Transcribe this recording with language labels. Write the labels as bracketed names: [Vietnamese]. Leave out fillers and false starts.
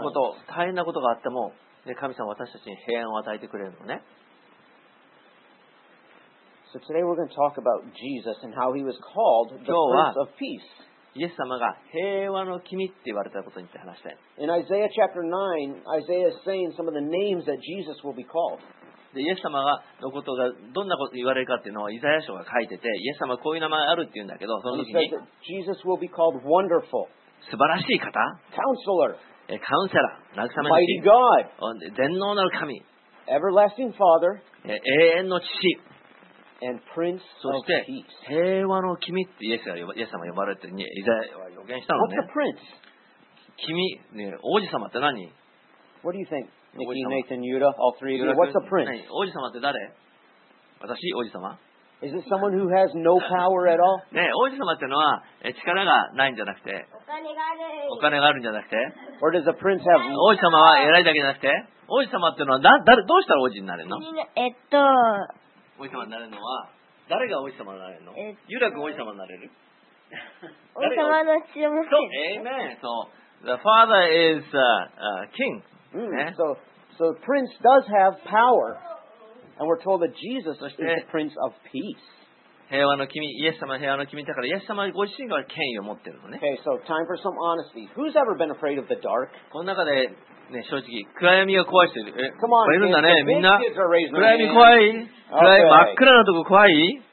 [Japanese] どんなこと、大変なことがあっても、ね、神様は私たちに平安を与えてくれるのね。 [English] So today we're going to talk about Jesus and how he was called the Prince of Peace. [Japanese] イエス様が平和の君って言われたことについて話したい。 [English] In Isaiah chapter 9, Isaiah is saying some of the names that Jesus will be called. [Japanese] で、イエス様がのことがどんなこと言われるかっていうのをイザヤ書が書いてて、イエス様こういう名前あるって言うんだけど、その時に [English] He says that Jesus will be called wonderful. [Japanese] 素晴らしい方。 [English] Counselor. [Japanese] カウンセラー。慰め主。 [English] Mighty God. [Japanese] 全能なる神。 [English] Everlasting Father. [Japanese] 永遠の父。 [English] And Prince [Japanese] そして平和の君ってイエス様呼ばれてるにイザヤは予言したのね。 [English] What's the prince? [Japanese] 君、ね、王子様って何 [English] ？What do you think, Nikki, Nathan, Yuda, all three of you? What's the prince? [Japanese] 王子様って誰？私王子様 [English] ？Is it someone who has no power at all? [Japanese] ね、王子様ってのは力がないんじゃなくて、お金があるんじゃなくて、 [English] Or does the prince have? [Japanese] 王子様は偉いだけじゃなくて、王子様ってのは誰どうしたら王子になるの？王子様になれるのは誰が王子様になれるの？ユダ君王子様になれる？王子様の血を持ってる。 [English] そう、The father is king. So the prince does have power, and we're told that Jesus is the prince of peace. [Japanese] 平和の君、イエス様平和の君だからイエス様ご自身が権威を持ってるのね。 [English] Okay, so time for some honesty. Who's ever been afraid of the dark? [Japanese] この中でね、正直、暗闇が怖い人いるんだね、みんな。暗闇怖い？暗い、真っ暗なとこ怖い？